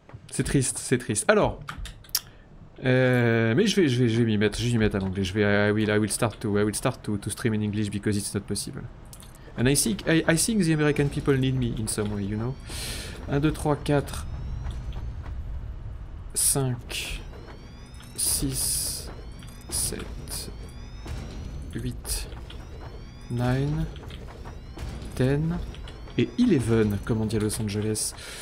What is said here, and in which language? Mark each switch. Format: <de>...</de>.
<fr>C'est triste, c'est triste. Alors. Mais je vais m'y mettre, en anglais. Je vais,</fr> <en>I will start to stream in English because it's not possible. And I think the American people need me in some way, you know.</en> <fr>1, 2, 3, 4, 5, 6, 7, 8, 9, 10, et 11, comme on dit à Los Angeles.</fr>